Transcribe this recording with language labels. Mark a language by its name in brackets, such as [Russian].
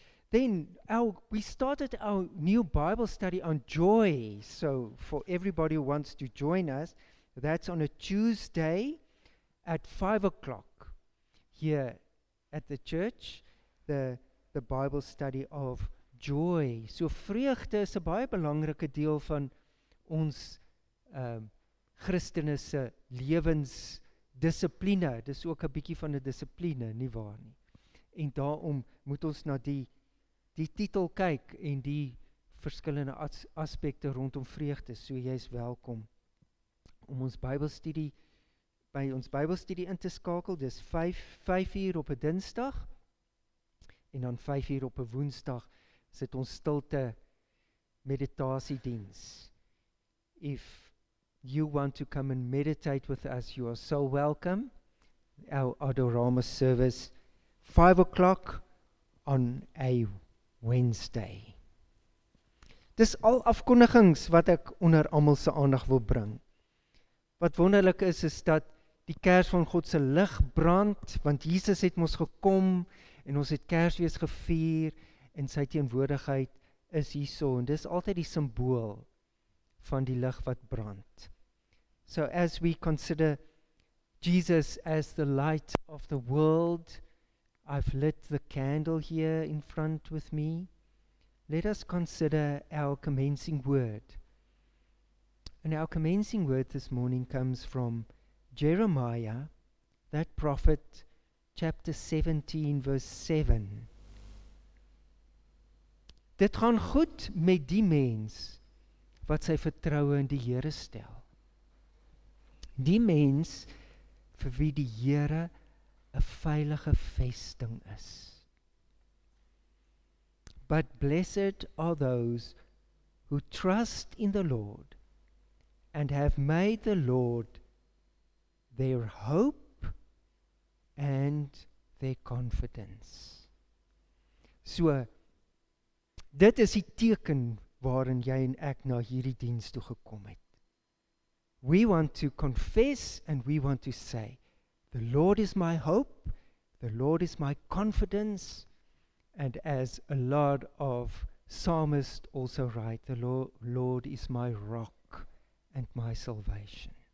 [English] Then we started our new Bible study on joy. So for everybody who wants to join us, that's on a Tuesday at 5 o'clock here at the church, the Bible study of joy. [Afrikaans] So vreugde is 'n baie belangrike deel van ons Christene se lewens Discipline, dis ook 'n bietjie van 'n discipline, nie waar nie. En daarom moet ons na die titel kyk en die verskillende aspekte rondom vreugde. So jy is welkom om ons Bybelstudie by ons Bybelstudie in te skakel. Dis 5:00 op 'n Dinsdag en dan 5:00 op 'n Woensdag sit ons stilte meditasiediens. [English] If you want to come and meditate with us, you are so welcome. Our Adorama service, 5 o'clock on a Wednesday. [Afrikaans] Dis al afkondigings wat ek onder almal se aandag wil bring. Wat wonderlik is dat die kers van God se lig brand, want Jesus het ons gekom en ons het Kersfees gevier en sy teenwoordigheid is hierso en dis altyd die simbool van die lig wat brand. [English] So as we consider Jesus as the light of the world, I've lit the candle here in front with me. Let us consider our commencing word. And our commencing word this morning comes from Jeremiah, that prophet, chapter 17, verse 7. [Afrikaans] Dit gaan goed met die mens wat sy vertroue in die Here stel. Die mens vir wie die Here 'n veilige vesting is. [English] But blessed are those who trust in the Lord and have made the Lord their hope and their confidence. [Afrikaans] So, dit is die teken waarin jy en ek na hierdie diens toe gekom het. [English] We want to confess and we want to say, the Lord is my hope, the Lord is my confidence, and as a lot of psalmists also write, the Lord is my rock and my salvation.